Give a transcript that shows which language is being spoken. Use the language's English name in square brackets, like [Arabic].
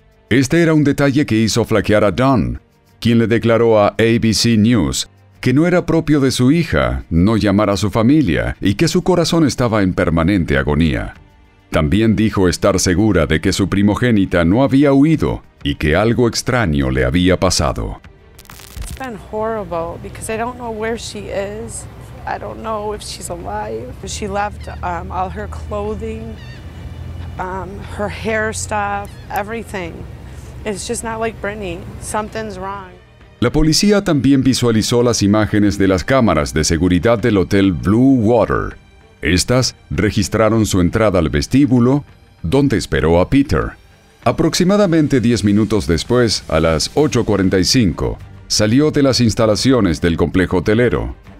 [Spanish] Este era un detalle que hizo flaquear a Dawn, quien le declaró a ABC News que que no era propio de su hija no llamar a su familia y que su corazón estaba en permanente agonía. También dijo estar segura de que su primogénita no había huido y que algo extraño le había pasado. [English] It's been horrible because I don't know where she is. I don't know if she's alive. She left all her clothing, her hair stuff, everything. It's just not like Brittany. Something's wrong. [Spanish] La policía también visualizó las imágenes de las cámaras de seguridad del hotel Blue Water. Estas registraron su entrada al vestíbulo, donde esperó a Peter. Aproximadamente 10 minutos después, a las 8:45, salió de las instalaciones del complejo hotelero.